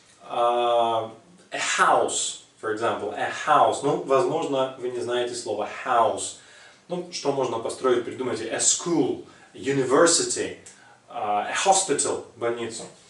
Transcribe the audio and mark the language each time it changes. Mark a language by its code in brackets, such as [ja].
[en] A house, for example, a house. [ru] Ну, возможно, вы не знаете слово house. Ну, что можно построить, придумайте. [en] A school, a university, a hospital, больницу.